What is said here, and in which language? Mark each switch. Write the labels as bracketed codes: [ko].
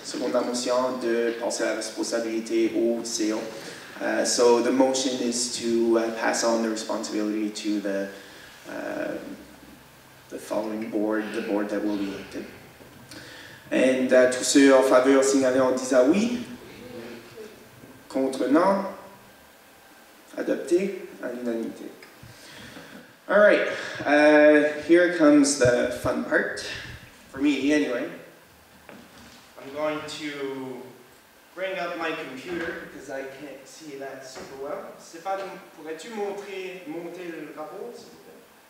[fr] Second la motion de penser à la responsabilité au CEO. [en] So the motion is to pass on the responsibility to the following board, the board that will be elected. [fr] And tous ceux en faveur signalés en disant oui. Contre non. Adopté à l'unanimité. [en] All right, here comes the fun part, for me anyway. I'm going to bring up my computer because I can't see that super well. [fr] Stéphane, pourrais-tu monter le rapport, s'il vous plaît?